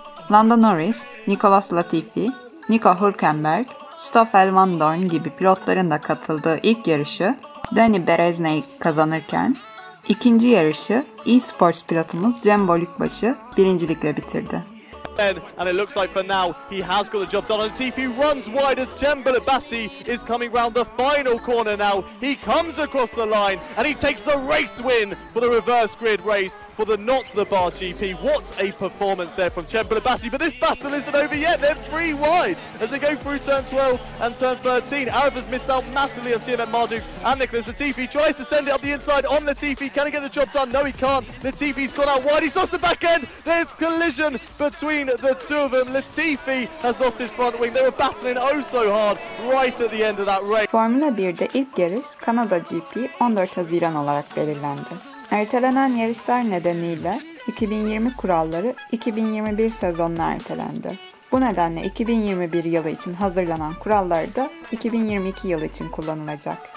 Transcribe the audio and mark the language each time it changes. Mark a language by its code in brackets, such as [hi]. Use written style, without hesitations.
[tr] Lando Norris, Nicholas Latifi, Nico Hülkenberg, Stoffel Van Dorn gibi pilotların da katıldığı ilk yarışı Danny Berezne'yi kazanırken İkinci yarışı e-sports pilotumuz Cem Bolükbaşı birincilikle bitirdi. [en] And it looks like for now he has got the job done. And Latifi runs wide as Cem Bolükbaşı is coming round the final corner now. He comes across the line and he takes the race win for the reverse grid race for the Not the Bar GP. What a performance there from Cem Bolükbaşı. But this battle isn't over yet. They're three wide as they go through turn 12 and turn 13. Arif has missed out massively on TMM Marduk and Nicholas Latifi tries to send it up the inside on Latifi. Can he get the job done? No, he can't. Latifi's gone out wide. He's lost the back end. There's collision between the two of them. Latifi has lost his front wing. They were battling oh so hard right at the end of that race. [tr] Formula 1'de ilk yarış Kanada GP 14 Haziran olarak belirlendi. Ertelenen yarışlar nedeniyle 2020 kuralları 2021 sezonuna ertelendi. Bu nedenle 2021 yılı için hazırlanan kurallar da 2022 yılı için kullanılacak.